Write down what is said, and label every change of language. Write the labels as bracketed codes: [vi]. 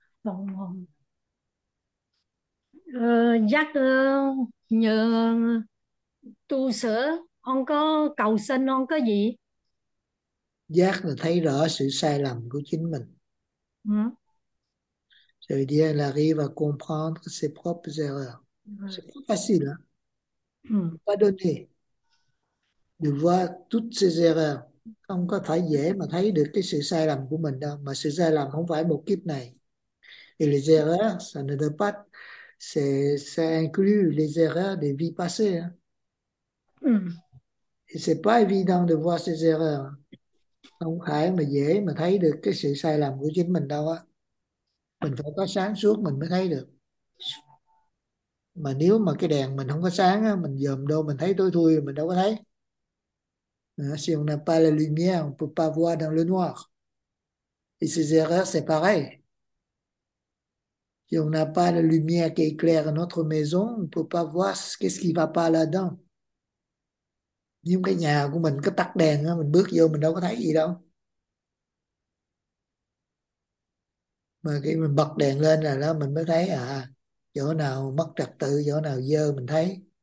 [vi] Vọng hồn giác nhờ tu sửa không có cầu sinh không có gì Giác là thấy rõ sự sai lầm của chính mình. hả Rồi đi là khi và [fr] comprendre ses propres erreurs. C'est [vi] ừ. [fr] pas facile. Hein? [vi] Ừ. [fr] Pardonner. De voir toutes ses erreurs. [vi] Không có phải dễ mà thấy được cái sự sai lầm của mình đâu. Mà sự sai lầm không phải một kiếp này. [fr] Et les erreurs, ça ne doit pas, ça inclut les erreurs des vies passées. Et c'est pas évident de voir ces erreurs. [vi] Không phải mà dễ mà thấy được cái sự sai lầm của chính mình đâu á. Mình phải có sáng suốt mình mới thấy được. Mà nếu mà cái đèn mình không có sáng á, mình dòm đâu mình thấy tối thui mình đâu có thấy. [fr] Si on n'a pas la lumière, on peut pas voir dans le noir. Et ces erreurs, c'est pareil. Si on n'a pas la lumière qui éclaire notre maison, on peut pas voir qu'est-ce qui va pas là-dedans. [vi] Nhưng cái nhà của mình có tắt đèn á, mình bước vô mình đâu có thấy gì đâu. Mà khi mình bật đèn lên là đó mình mới thấy à, chỗ nào mất trật tự, chỗ nào dơ mình thấy.